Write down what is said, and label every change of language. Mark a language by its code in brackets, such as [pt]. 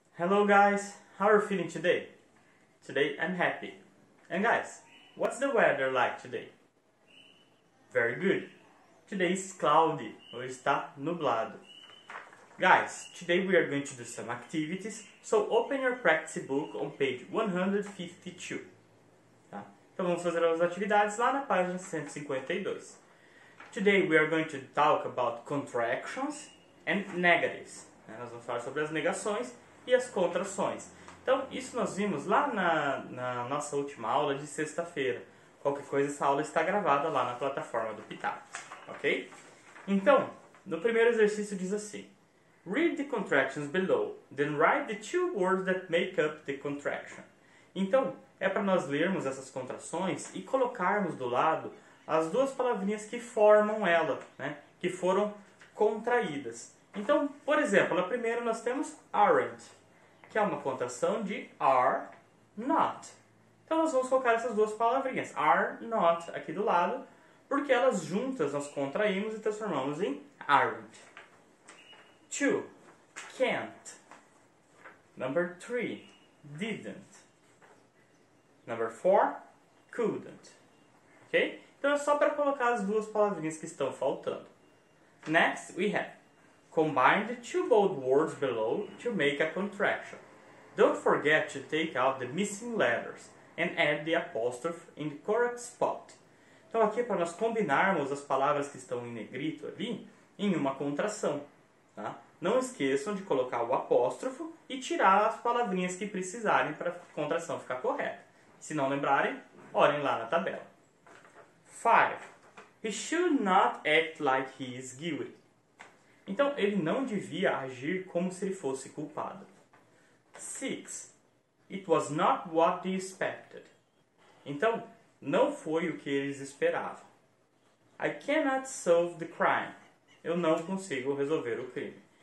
[en] Hello guys, how are you feeling today? Today I'm happy. And guys, what's the weather like today? Very good. Today is cloudy, [pt] ou está nublado. [en] Guys, today we are going to do some activities, so open your practice book on page 152. [pt] Tá? Então vamos fazer as atividades lá na página 152. [en] Today we are going to talk about contractions and negatives. [pt] Né? Nós vamos falar sobre as negações e as contrações. Então, isso nós vimos lá na nossa última aula de sexta-feira. Qualquer coisa, essa aula está gravada lá na plataforma do Pitágoras, ok? Então, no primeiro exercício diz assim: [en] read the contractions below, then write the two words that make up the contraction. [pt] Então, é para nós lermos essas contrações e colocarmos do lado as duas palavrinhas que formam ela, né? Que foram contraídas. Então, por exemplo, na primeira nós temos aren't, que é uma contração de are not. Então, nós vamos colocar essas duas palavrinhas, are not, aqui do lado, porque elas juntas nós contraímos e transformamos em aren't. [en] Two, can't. Number three, didn't. Number four, couldn't. Ok? [pt] Então, é só para colocar as duas palavrinhas que estão faltando. [en] Next, we have combine the two bold words below to make a contraction. Don't forget to take out the missing letters and add the apostrophe in the correct spot. [pt] Então, aqui é para nós combinarmos as palavras que estão em negrito ali em uma contração. Tá? Não esqueçam de colocar o apóstrofo e tirar as palavrinhas que precisarem para a contração ficar correta. Se não lembrarem, olhem lá na tabela. 5. [en] He should not act like he is guilty. [pt] Então, ele não devia agir como se ele fosse culpado. 6. [en] It was not what they expected. [pt] Então, não foi o que eles esperavam. [en] I cannot solve the crime. [pt] Eu não consigo resolver o crime.